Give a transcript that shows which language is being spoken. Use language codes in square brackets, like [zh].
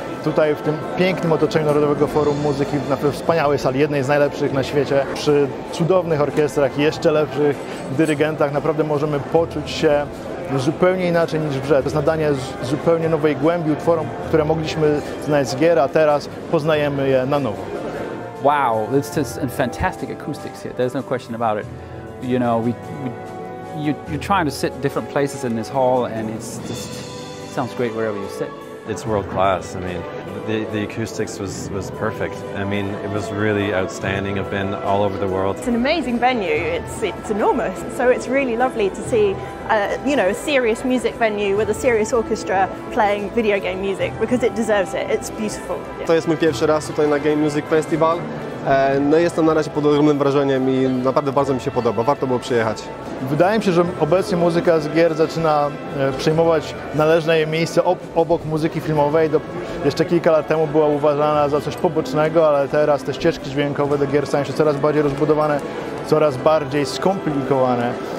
[pl] Tutaj w tym pięknym otoczeniu Narodowego Forum Muzyki, na wspaniałej sali, jednej z najlepszych na świecie, przy cudownych orkiestrach, jeszcze lepszych dyrygentach, naprawdę możemy poczuć się zupełnie inaczej niż w grze. To jest nadanie zupełnie nowej głębi utworom, które mogliśmy znać z gier, a teraz poznajemy je na nowo. [en] Wow, it's just a fantastic acoustics here. There's no question about it. You know, you're trying to sit different places in this hall, and it's just sounds great wherever you sit. It's world class. I mean, the acoustics was perfect. I mean, it was really outstanding. I've been all over the world. It's an amazing venue. It's enormous. So it's really lovely to see, you know, a serious music venue with a serious orchestra playing video game music, because it deserves it. It's beautiful. Yeah. [pl] To jest mój pierwszy raz tutaj na Game Music Festival. No jestem na razie pod ogromnym wrażeniem i naprawdę bardzo mi się podoba. Warto było przyjechać. Wydaje mi się, że obecnie muzyka z gier zaczyna przejmować należne jej miejsce obok muzyki filmowej. Jeszcze kilka lat temu była uważana za coś pobocznego, ale teraz te ścieżki dźwiękowe do gier stają się coraz bardziej rozbudowane, coraz bardziej skomplikowane.